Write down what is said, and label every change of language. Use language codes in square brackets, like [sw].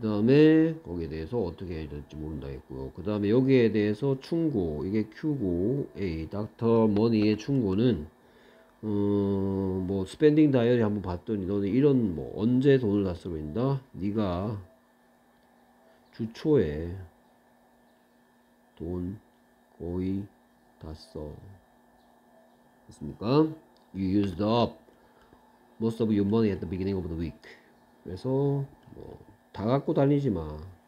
[ko] 그다음에 거기에 대해서 어떻게 해야 될지 모른다 했고요. 그다음에 여기에 대해서 충고, 이게 Q고, 에이, 닥터 머니의 충고는 뭐 스펜딩 다이어리 한번 봤더니 너는 이런 뭐 언제 돈을 다 써버린다? 네가 주초에 돈 거의 다 써. 됐습니까? [en] You used up most of your money at the beginning of the week. [ko] 그래서 뭐다 갖고 다니지 마.